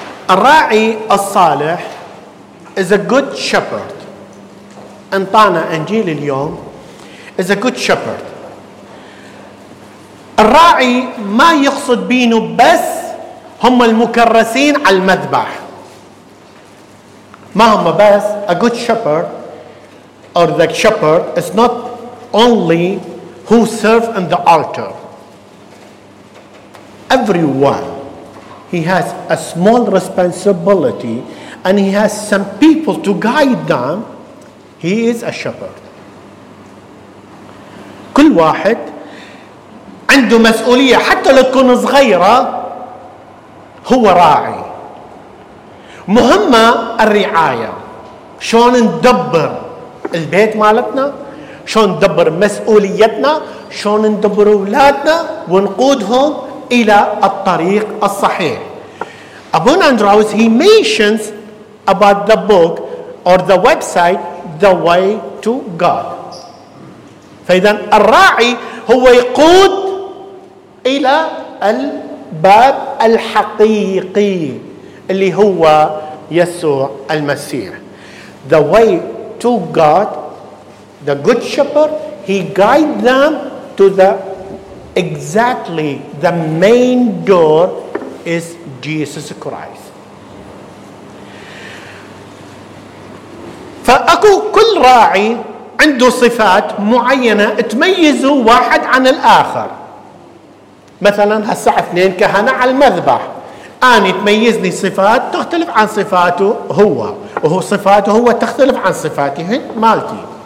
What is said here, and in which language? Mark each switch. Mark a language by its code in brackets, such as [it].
[ar] الراعي الصالح [en] is a good shepherd. [ar] انطانا انجيل اليوم [en] is a good shepherd. [ar] الراعي ما يقصد بينه بس هم المكرسين على المذبح. ما هم بس [en] a good shepherd or the shepherd is not only who serve in the altar. Everyone, he has a small responsibility and he has some people to guide them. He is a shepherd. [ar] كل واحد عنده مسؤولية حتى لو تكون صغيرة. هو راعي، مهمة الرعاية. شلون ندبر البيت مالتنا، شلون ندبر مسؤوليتنا، شلون ندبر أولادنا ونقودهم إلى الطريق الصحيح. [en] أبونا اندراوس he mentions about the book or the website The Way to God. [ar] فإذا الراعي هو يقود إلى الباب الحقيقي اللي هو يسوع المسيح. [en] The way to God, the good shepherd, he guides them to the exactly the main door is Jesus Christ. [ar] فأكو كل راعي عنده صفات معينة تميزه واحد عن الآخر. مثلا هالساعة اثنين كهنة على المذبح، أنا تميزني صفات تختلف عن صفاته هو، وهو صفاته هو تختلف عن صفاته مالتي.